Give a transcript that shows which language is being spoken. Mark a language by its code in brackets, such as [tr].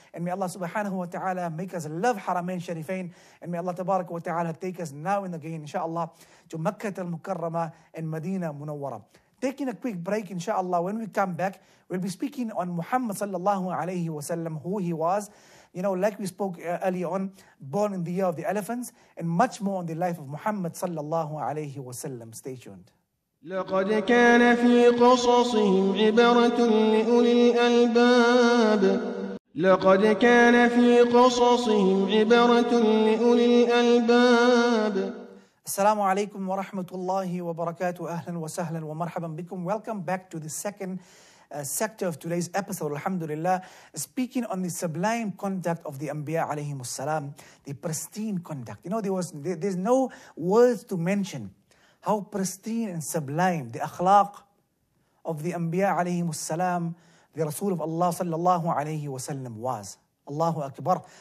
[en] And may Allah [ar] subhanahu wa ta'ala [en] make us love Haramain Sharifain. And may Allah [ar] tabaraka wa ta'ala [en] take us now and again, inshallah, to Makkah al-Mukarramah and Medina Munawwara. Taking a quick break, inshallah, when we come back, we'll be speaking on Muhammad [ar] sallallahu alayhi wa sallam, [en] who he was. You know, like we spoke earlier on, born in the year of the elephants, and much more on the life of Muhammad [ar] sallallahu alayhi wa sallam. [en] Stay tuned. [ar] لقد كان في قصصهم عبرة لأولي الألباب. لقد كان في قصصهم عبرة لأولي الألباب. Assalamu alaikum wa rahmatullahi wa barakatuh. Ahlan wa sahlan wa marhaban bikum. [en] Welcome back to the second sector of today's episode, alhamdulillah, speaking on the sublime conduct of the Anbiya [ar] alayhim as-salam, [en] the pristine conduct. You know, there's no words to mention how pristine and sublime the akhlaq of the Anbiya [ar] alayhim as-salam, [en] the Rasul of Allah [ar] sallallahu alayhi wa sallam [en] was. Allahu Akbar.